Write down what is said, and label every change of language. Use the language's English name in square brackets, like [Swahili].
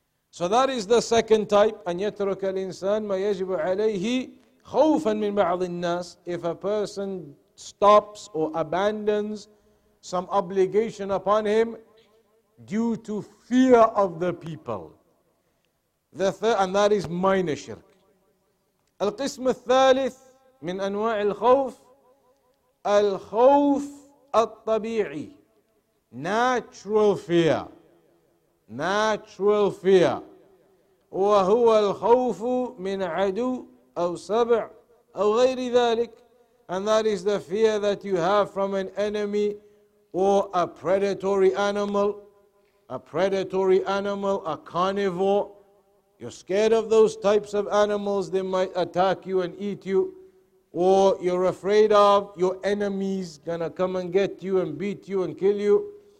[English] So that is the second type. [Arabic] أَنْ يَتْرُكَ الْإِنسَانِ مَا يَجِبُ عَلَيْهِ خَوْفًا مِنْ بَعْضِ النَّاسِ. [English] If a person stops or abandons some obligation upon him due to fear of the people. The third, and that is minor shirk. [Arabic] القسم الثالث من أنواع الخوف, الخوف الطبيعي, [English] natural fear. Natural fear. [Arabic] وهو الخوف من عدو أو سبع أو غير ذلك. [English] And that is the fear that you have from an enemy or a predatory animal. A predatory animal, a carnivore. You're scared of those types of animals. They might attack you and eat you. Or you're afraid of your enemies gonna come and get you and beat you and kill you.